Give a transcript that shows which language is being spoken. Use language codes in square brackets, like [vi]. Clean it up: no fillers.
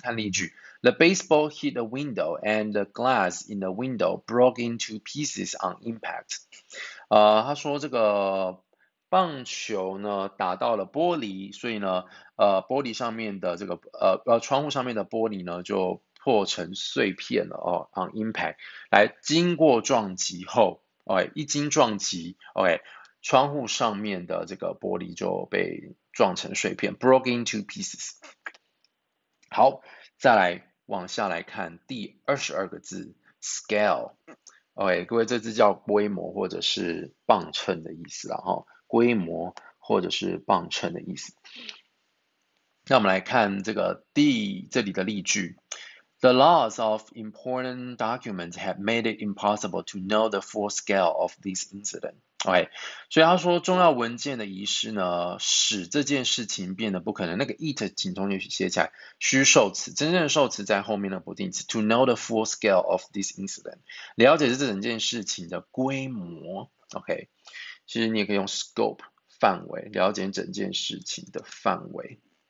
[zh] 看例句 [en] ，The baseball hit a window and the glass in the window broke into pieces on impact。 [zh] 他说这个棒球呢打到了玻璃，所以呢，玻璃上面的这个窗户上面的玻璃呢就破成碎片了哦。 On impact， 来经过撞击后。Okay, 一经撞击 okay, 窗户上面的这个玻璃就被撞成碎片 [en] broke into pieces。 [zh] 好，再来往下来看第22个字 scale。 okay, 各位这字叫规模或者是磅秤的意思啦，规模或者是磅秤的意思。那我们来看这个第这里的例句。 [en] The loss of important documents had made it impossible to know the full scale of this incident. [zh] Okay, 所以他说重要文件的遗失呢，使这件事情变得不可能。那个 it 请同学写起来，虚受词，真正的受词在后面的不定词。 [en] To know the full scale of this incident, [zh] 了解这整件事情的规模。 Okay, 其实你也可以用 scope 范围，了解整件事情的范围。